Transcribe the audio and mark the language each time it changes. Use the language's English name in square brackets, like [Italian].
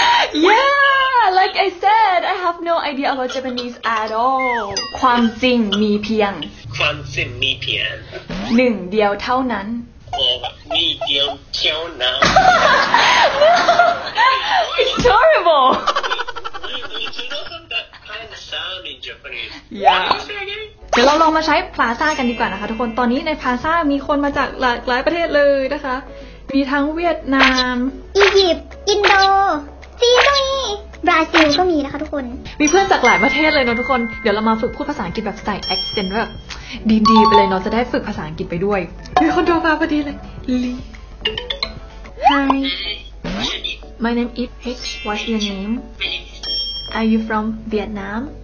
[English] Yeah, like I said, I have no idea about Japanese at all. Kwan jing mi piang. Kwan jing mi piang. Nung diao tao nan. It's horrible. You know that kind of sound in Japanese. [Thai] Yeah. เดี๋ยวเราลองมาใช้ Plaza กันดีกว่านะคะทุกคนตอนนี้ใน Plaza มีคนมาจากหลากหลายประเทศเลยนะคะมีทั้งเวียดนาม อียิปต์อินโดจีนก็มีบราซิลก็มีนะคะทุกคน มีเพื่อนจากหลายประเทศเลยเนาะทุกคนเดี๋ยวเรามาฝึกพูดภาษาอังกฤษแบบสไตล์ accent แบบดีๆไปเลยเนาะจะได้ฝึกภาษาอังกฤษไปด้วยมีคนโทรมาพอดีเลยลี [English] Hi My name is H What's your name Are you from Vietnam